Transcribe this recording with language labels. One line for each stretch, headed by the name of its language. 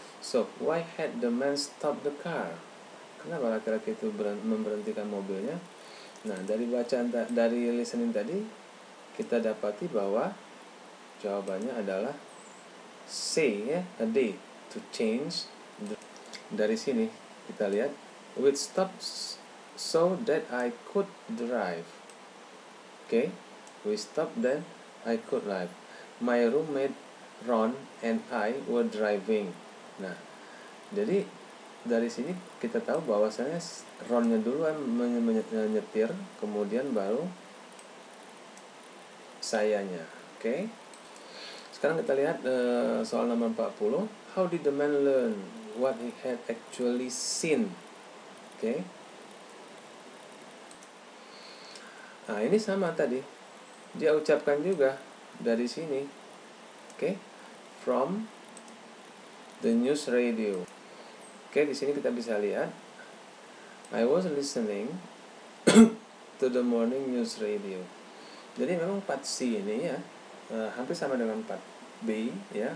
English: So, why had the man stopped the car?
Indonesian: Kenapa laki-laki itu memberhentikan mobilnya? Nah, dari bacaan dari listening tadi, kita dapati bahwa jawabannya adalah say, ya, a day to change. Dari sini kita lihat,
English: which stops so that I could drive. Okay, we stopped then I could drive. My roommate Ron and I were driving.
Indonesian: Nah, jadi dari sini kita tahu bahwasanya Ron-nya duluan menyetir, kemudian baru sayanya. Okay. Sekarang kita lihat soal nomor 40.
English: How did the man learn what he had actually seen? Okay.
Indonesian: Nah, ini sama tadi. Dia ucapkan juga dari sini.
English: Okay. From the news radio.
Indonesian: Okay, di sini kita bisa lihat.
English: I was listening to the morning news radio.
Indonesian: Jadi memang 4C ini ya, hampir sama dengan 4B ya.